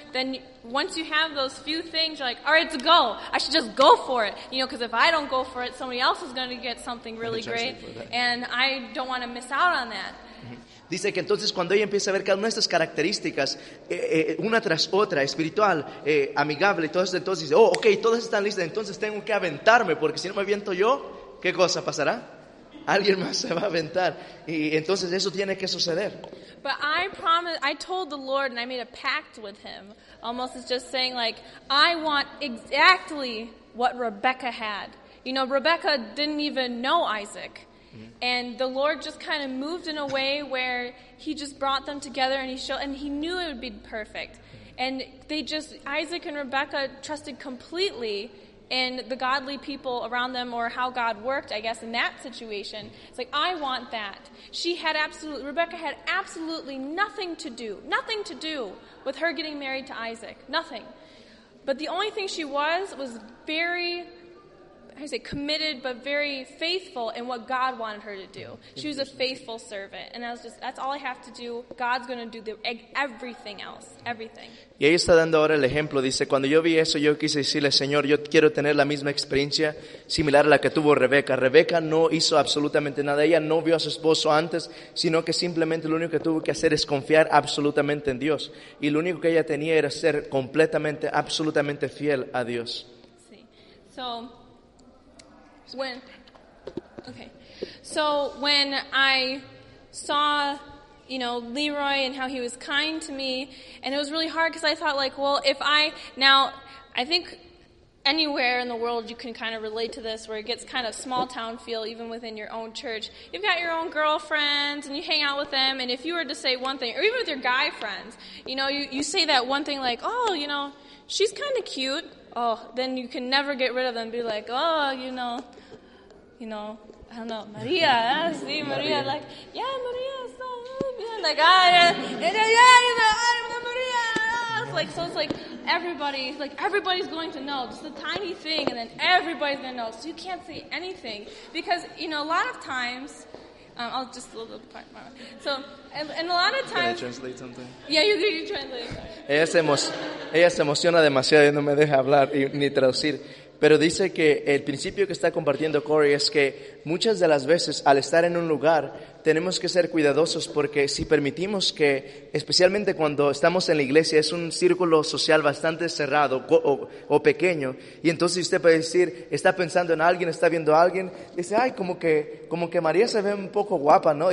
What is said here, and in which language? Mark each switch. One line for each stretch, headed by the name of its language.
English: Then once you have those few things, you're like, all right, it's a go. I should just go for it. You know, because if I don't go for it, somebody else is going to get something really great, and I don't want to miss out on that.
Spanish: Dice que entonces cuando ella empieza a ver cada una de estas características, una tras otra, espiritual, amigable, y todo eso, entonces dice, okay, todas están listas, entonces tengo que aventarme, porque si no me aviento yo, ¿qué cosa pasará? Alguien más se va a aventar. Y entonces eso tiene que suceder.
English: But I promised, I told the Lord and I made a pact with him. Almost as just saying like, I want exactly what Rebecca had. You know, Rebecca didn't even know Isaac. And the Lord just kind of moved in a way where he just brought them together and he showed, and he knew it would be perfect. And they just, Isaac and Rebecca trusted completely in the godly people around them or how God worked, I guess, in that situation. It's like, I want that. She had absolutely, Rebecca had absolutely nothing to do with her getting married to Isaac, nothing. But the only thing she was very, I say committed, but very faithful in what God wanted her to do. She was a faithful servant. And I was just, that's all I have to do. God's going to do everything else. Everything.
Spanish: Y ahí está dando ahora el ejemplo. Dice, cuando yo vi eso, yo quise decirle, Señor, yo quiero tener la misma experiencia similar a la que tuvo Rebeca. Rebeca no hizo absolutamente nada. Ella no vio a su esposo antes, sino que simplemente lo único que tuvo que hacer es confiar absolutamente en Dios. Y lo único que ella tenía era ser completamente, absolutamente fiel a Dios. Sí.
English: So, when, okay, so when I saw, you know, Leroy and how he was kind to me, and it was really hard because I thought like, well, if I, now, I think anywhere in the world you can kind of relate to this where it gets kind of small town feel even within your own church. You've got your own girlfriends and you hang out with them, and if you were to say one thing, or even with your guy friends, you know, you say that one thing like, oh, you know, she's kind of cute. Oh, then you can never get rid of them. Be like, oh, you know, I don't know, Maria, yeah, see, Maria. Maria, like, yeah, Maria, so, like, ah, yeah, you know, I'm the Maria, it's like, so it's like, everybody's going to know, just a tiny thing, and then everybody's going to know, so you can't say anything, because, you know, a lot of times, I'll just a little part, more. So, and a lot of times, can I translate something? Yeah, you translate.
Spanish: Ella se emociona demasiado y no me deja hablar ni traducir. Pero dice que el principio que está compartiendo Corey es que muchas de las veces al estar en un lugar tenemos que ser cuidadosos porque si permitimos que, especialmente cuando estamos en la iglesia, es un círculo social bastante cerrado o pequeño, y entonces usted puede decir, está pensando en alguien, está viendo a alguien, dice, ay, como que María se ve un poco guapa, ¿no?